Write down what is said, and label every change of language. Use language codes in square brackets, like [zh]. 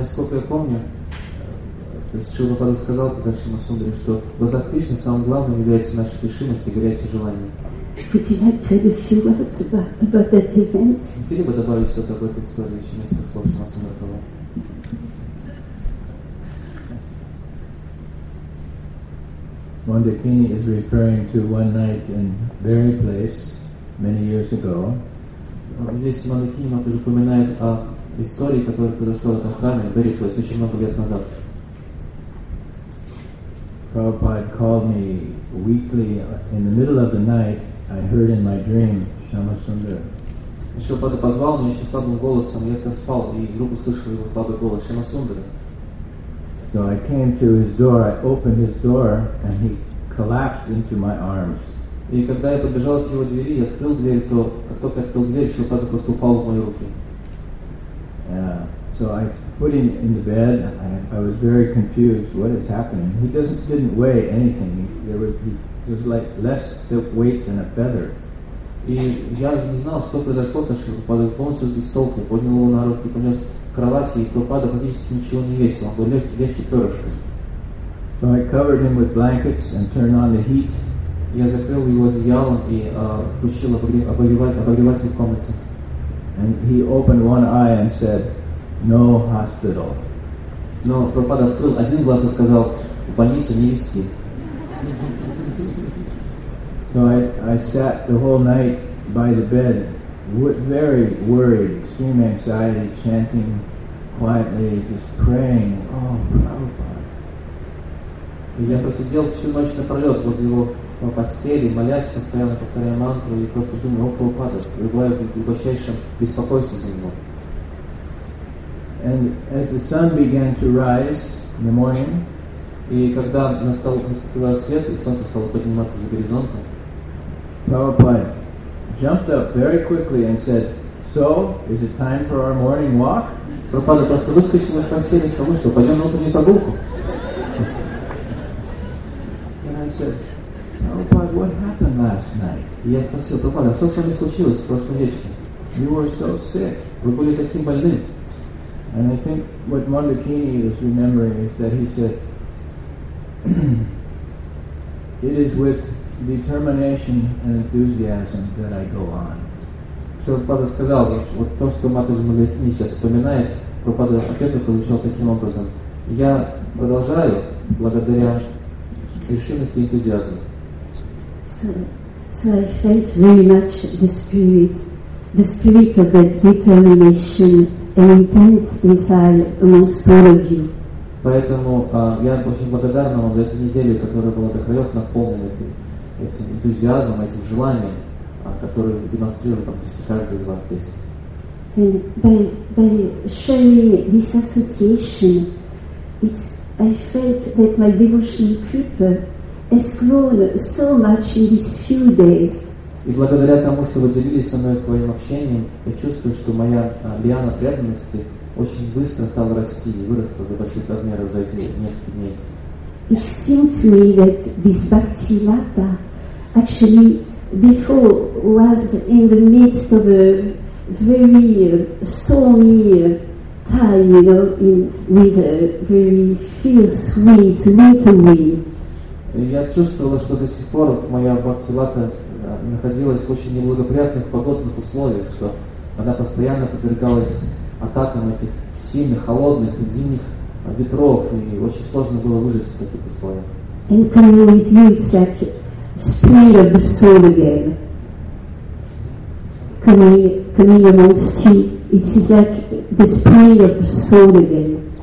[ru] Насколько я помню, то есть Шрила Прабхупада сказал тогда Шамасундаре, что в глазах Кришны самым главным является наша решимость и горячее желание. [en] Would you like to add a few words about that event? [ru] Хотели бы добавить что-то об этой истории, еще несколько слов Шамасундаре? [en] Mandakini is referring to one night in Berry Place many years ago. [ru] Здесь Мандакини также упоминает о истории, которая произошла в этом храме в Berry Place очень много лет назад. [en] Prabhupada called me weakly in the middle of the night. I heard in my dream Shamasundara. [ru] Шрила позвал меня еще слабым голосом. Я как спал и вдруг услышал его слабый голос Шамасундара. [en] So I came to his door. I opened his door, and he collapsed into my arms. [ru] И когда я подбежал к его двери, открыл дверь, то как только открыл дверь, Шрила просто упал в мои руки. [en] So I put him in the bed. I was very confused. What is happening? He didn't weigh anything. There was like less the weight than a feather. [ru] И я не знал, что произошло со Шрупадой. Полностью сбил с толку. Поднял его на руки, понес в кровати, и Шрупада практически ничего не весил. Он был легче перышка. [en] So I covered him with blankets and turned on the heat. [ru] Я закрыл его одеялом и включил обогреватель в комнате. [en] And he opened one eye and said, "No hospital." [ru] Но Шрупада открыл один глаз и сказал, "В больницу не везти." [en] So I sat the whole night by the bed, very worried, extreme anxiety, chanting quietly, just praying, "Oh, Prabhupada." [ru] Я просидел всю ночь напролет возле его постели, молясь, постоянно повторяя мантру, и просто думаю, "О, Прабхупада," пребывая в глубочайшем беспокойстве за него. [en] And as the sun began to rise in the morning, [ru] и когда настал рассвет, и солнце стало подниматься за горизонтом, [en] Prabhupada jumped up very quickly and said, "So, is it time for our morning walk?" [ru] Prabhupada просто выскочил из постели, сказал, что пойдем на утреннюю прогулку. [en] And I said, "Prabhupada, what happened last night?" [ru] И я спросил, Prabhupada, что с вами случилось в прошлом вечере? "You were so sick." Вы были таким больным. [en] And I think what Mandakini is remembering is that he said, "It is with determination and enthusiasm that I go on." [ru] Шрупада сказал, вот то, что Матаджи Мандакини сейчас вспоминает, Шрупада ответ получил таким образом. Я продолжаю благодаря решимости и энтузиазму. [en] So I felt very much the spirit of that determination and intense desire amongst all of you. [ru] Поэтому я очень благодарна вам за эту неделю, которая была до краев наполнена этим энтузиазмом, этим желанием, которое демонстрировал практически каждый из вас здесь. [en] And by sharing this association, I felt that my devotional kripa has grown so much in these few days. [ru] И благодаря тому, что вы делились со мной своим общением, я чувствую, что моя лиана преданности очень быстро стала расти и выросла до больших размеров за эти несколько дней. [en] It seemed to me that this bhakti lata actually before was in the midst of a very stormy time, you know, with a very fierce winds, winter winds. [ru] Я чувствовала, что до сих пор моя бхакти лата находилась в очень неблагоприятных погодных условиях, что она постоянно подвергалась атакам этих сильных, холодных и зимних ветров, и очень сложно было выжить в таких условиях. [en] And coming with you, it's like spring of the soul again. Coming amongst you, it's like the spring of the soul again.